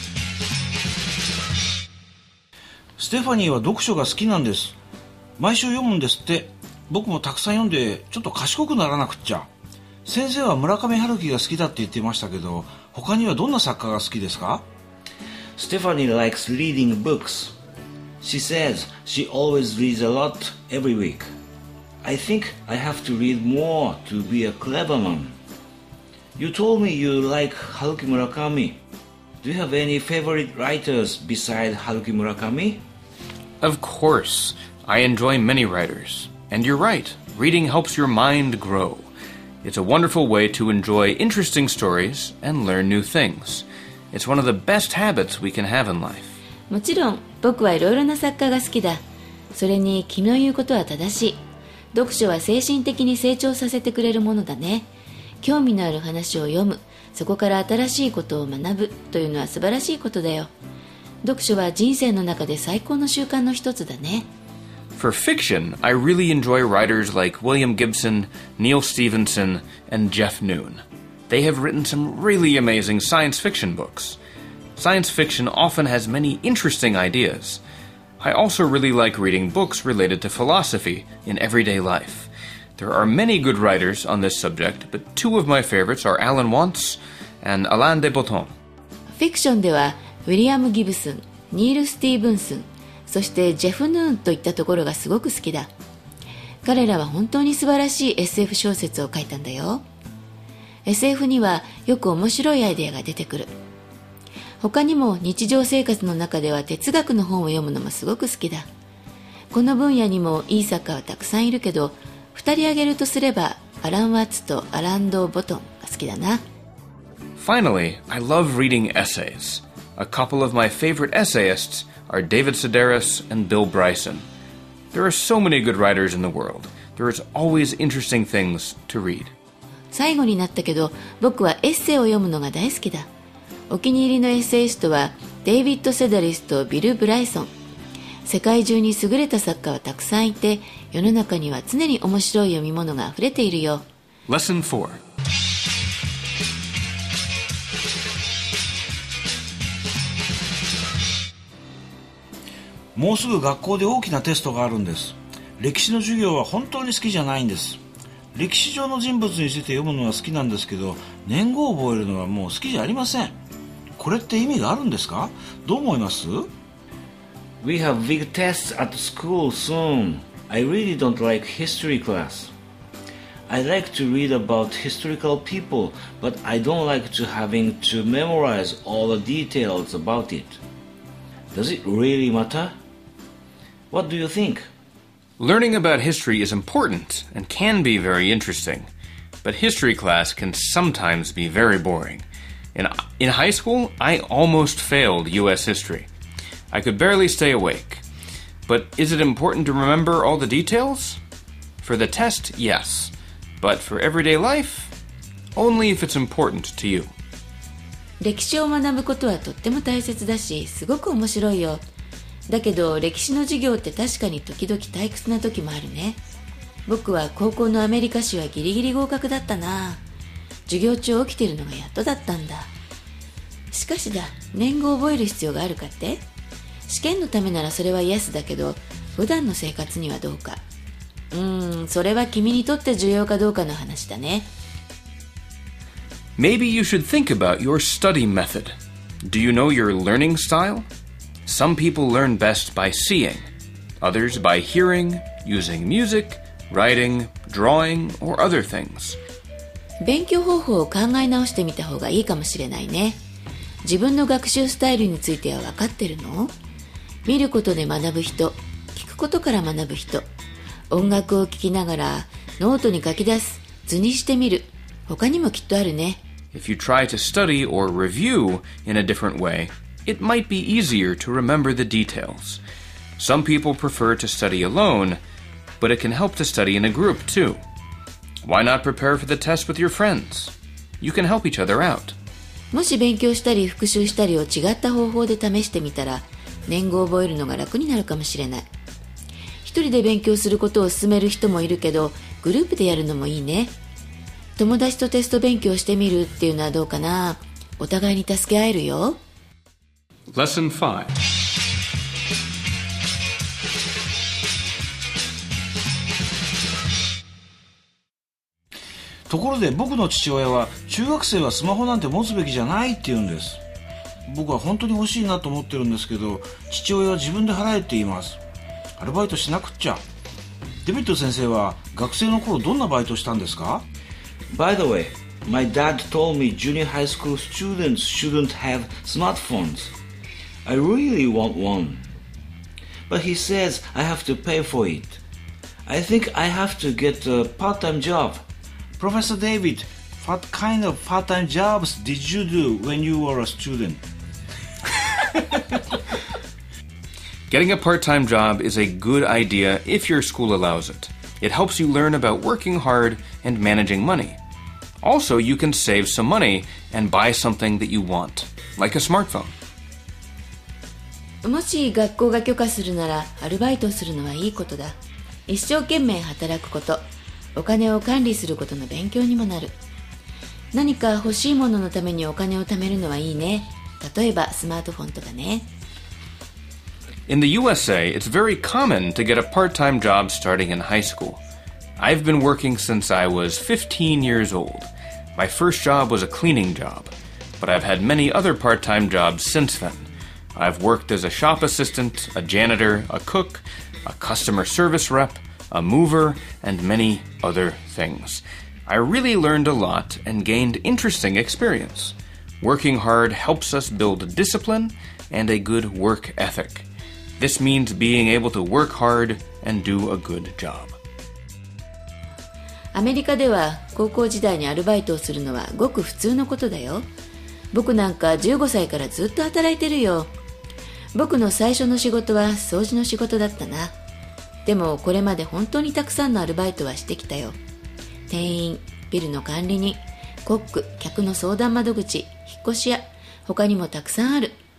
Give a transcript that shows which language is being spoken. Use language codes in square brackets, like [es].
[ja] 3。ステファニーは読書が好きなんです。毎週読むんですって。僕もたくさん読んでちょっと賢くならなくっちゃ。先生は村上春樹が好きだって言ってましたけど、他にはどんな作家が好きですか？ [en] Stephanie likes reading books. She says she always reads a lot every week. I think I have to read more to be a clever man. You told me you like Haruki Murakami. Do you have any favorite writers besides Haruki Murakami? Of course. I enjoy many writers. And you're right, reading helps your mind grow. It's a wonderful way to enjoy interesting stories and learn new things. It's one of the best habits we can have in life. [ja] もちろん、僕はいろいろな作家が好きだ。それに、君の言うことは正しい。読書は精神的に成長させてくれるものだね。興味のある話を読む、そこから新しいことを学ぶというのは素晴らしいことだよ。読書は人生の中で最高の習慣の一つだね。 [en] For fiction, I really enjoy writers like William Gibson, Neal Stephenson, and Jeff Noon. They have written some really amazing science fiction books. Science fiction often has many interesting ideas. I also really like reading books related to philosophy in everyday life. There are many good writers on this subject, but two of my favorites are Alan Watts and Alain de Botton. [ja] Fiction では William Gibson, Neal Stephenson,そしてジェフ・ヌーンといったところがすごく好きだ。彼らは本当に素晴らしい SF 小説を書いたんだよ。 SF にはよく面白いアイデアが出てくる。他にも日常生活の中では哲学の本を読むのもすごく好きだ。この分野にもいい作家はたくさんいるけど、2人挙げるとすればアラン・ワッツとアラン・ド・ボトンが好きだな。 [en] Finally, I love reading essays. A couple of my favorite essayistsare David Sedaris and Bill Bryson. There are so many good writers in the world. There is always interesting things to read. [ja] 最後になったけど、僕はエッセイを読むのが大好きだ。お気に入りのエッセイストはデイビッド・セダリスとビル・ブライソン。世界中に優れた作家はたくさんいて、世の中には常に面白い読み物が溢れているよ。 [en] Lesson 4 [ja] もうすぐ学校で大きなテストがあるんです。歴史の授業は本当に好きじゃないんです。歴史上の人物について読むのは好きなんですけど、年号を覚えるのはもう好きじゃありません。これって意味があるんですか？どう思います？ [en] We have big tests at school soon. I really don't like history class. I like to read about historical people, but I don't like to having to memorize all the details about it. Does it really matter? What do you think? Learning about history is important and can be very interesting, but history class can sometimes be very boring. In high school, I almost failed U.S. history. I could barely stay awake. But is it important to remember all the details? For the test, yes. But for everyday life, only if it's important to you. [ja] 歴史を学ぶことはとっても大切だし、すごく面白いよ。だけど歴史の授業って確かに時々退屈な時もあるね。僕は高校のアメリカ史はギリギリ合格だったな。授業中起きてるのがやっとだったんだ。しかしだ、年号を覚える必要があるかって？試験のためならそれはイエスだけど、普段の生活にはどうか。それは君にとって重要かどうかの話だね。 [en] Maybe you should think about your study method. Do you know your learning style? Some people learn best by seeing, others by hearing, using music, writing, drawing, or other things. [ja] 勉強方法を考え直してみた方がいいかもしれないね。自分の学習スタイルについては分かってるの？見ることで学ぶ人、聞くことから学ぶ人、音楽を聴きながらノートに書き出す、図にしてみる、他にもきっとあるね。 [en] If you try to study or review in a different way,It might be easier to remember the details. Some people prefer to study alone, but it can help to study in a group too. Why not prepare for the test with your friends? You can help each other out. [ja] もし勉強したり復習したりを違った方法で試してみたら、年号を覚えるのが楽になるかもしれない。一人で勉強することを勧める人もいるけど、グループでやるのもいいね。友達とテスト勉強してみるっていうのはどうかな？お互いに助け合えるよ。 [en] Lesson 5. [ja] ところで僕の父親は中学生はスマホなんて持つべきじゃないって言うんです。僕は本当に欲しいなと思ってるんですけど、父親は自分で払えって言います。アルバイトしなくっちゃ。デビット先生は学生の頃どんなバイトしたんですか？ [en] By the way, my dad told me junior high school students shouldn't have smartphones. I really want one. But he says I have to pay for it. I think I have to get a part-time job. Professor David, what kind of part-time jobs did you do when you were a student? Getting a part-time job is a good idea if your school allows it. It helps you learn about working hard and managing money. Also, you can save some money and buy something that you want, like a smartphone. [ja] もし学校が許可するならアルバイトをするのはいいことだ。一生懸命働くこと、お金を管理することの勉強にもなる。何か欲しいもののためにお金を貯めるのはいいね。例えばスマートフォンとかね。 [en] In the USA, it's very common to get a part-time job starting in high school. I've been working since I was 15 years old. My first job was a cleaning job, but I've had many other part-time jobs since then. I've worked as a shop assistant, a janitor, a cook, a customer service rep, a mover, and many other things. I really learned a lot and gained interesting experience. Working hard helps us build discipline and a good work ethic. This means being able to work hard and do a good job. [ja] アメリカでは高校時代にアルバイトをするのはごく普通のことだよ。僕なんか15歳からずっと働いてるよ。僕の最初の仕事は掃除の仕事だったな。でもこれまで本当にたくさんのアルバイトはしてきたよ。店員、ビルの管理人、コック、客の相談窓口、引っ越し屋、他にもたくさんある。